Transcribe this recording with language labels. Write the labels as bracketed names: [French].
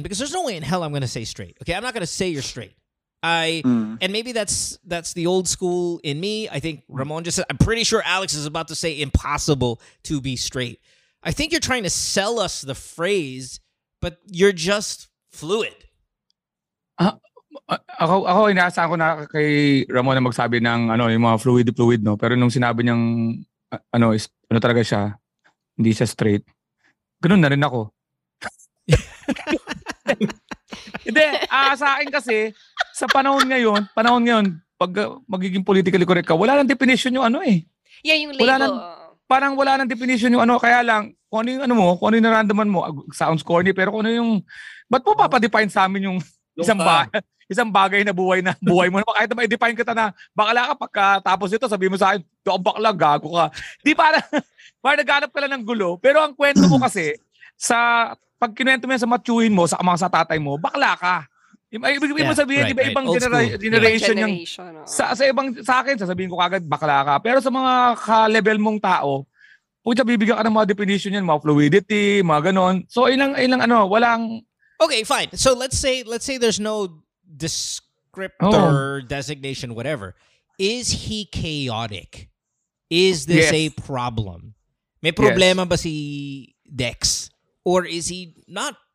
[English] Because there's no way in hell I'm gonna say straight. Okay, I'm not gonna say you're straight. And maybe that's the old school in me. I think Ramon just said, I'm pretty sure Alex is about to say impossible to be straight. I think you're trying to sell us the phrase, but you're just fluid. [Filipino] Ako inaasahan ko na kay Ramon na magsabi ng ano yung mga fluid no, pero nung sinabi niyang ano talaga siya, hindi siya straight, ganun na rin ako. Hindi, sa akin kasi sa panahon ngayon pag magiging politically correct ka, wala nang definition yung ano eh. Yeah, yung label. Wala nang definition yung ano, kaya lang kung ano yung ano mo, kung ano yung nararamdaman mo, [English] sounds corny, [Filipino] pero kung ano yung ba't mo papadefine sa amin yung isang bagay na buhay mo. Kahit na ma-define kita na bakla ka, pagkatapos nito, sabihin mo sa akin, doon bakla, gago ka. Di para naghanap ka lang ng gulo. Pero ang kwento mo kasi, sa pag kinwento mo yan sa matuhin mo, sa mga sa tatay mo, bakla ka. Ibig mo sabihin, right, di ba right. Ibang generation yung... Sa akin, sasabihin ko kagad, bakla ka. Pero sa mga ka-level mong tao, pwede bibigyan ka ng mga definition yan, mga fluidity, mga ganon. So, ilang ano, walang... Okay, fine. [English] So, let's say there's no descriptor, designation, whatever. Is he chaotic? Is this a problem? [Filipino] May problema ba si Dex? [English] Or is he not?